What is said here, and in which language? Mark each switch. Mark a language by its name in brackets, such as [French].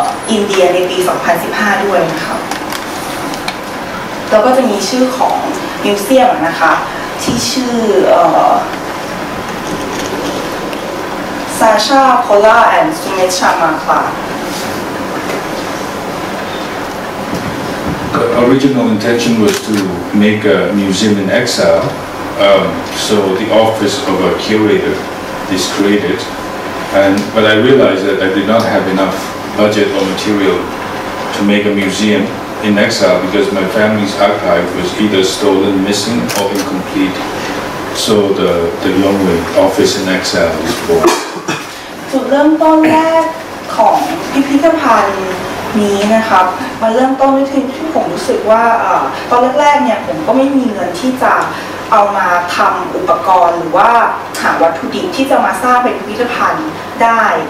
[Thai] อินเดียในปี2015ด้วยนะคะแล้วก็จะมีชื่อของมิวเซียมนะคะที่ชื่อSasha Kola and Sumit Sharma [English] The original intention was to make a museum in exile, so the office of a curator is created. But I realized that I did not have enough budget or material to make a museum in exile because my family's archive was either stolen, missing, or incomplete. So the Yongwe office in exile is born. [Thai] จุดเริ่มต้นแรกของพิพิธภัณฑ์นี้นะครับมาเริ่มต้นด้วยที่ผมรู้สึกว่าตอนแรกๆเนี่ยผมก็ไม่มีเงินที่จะเอามาทำอุปกรณ์หรือว่าหาวัตถุดิบที่จะมาสร้างเป็นพิพิธภัณฑ์ได้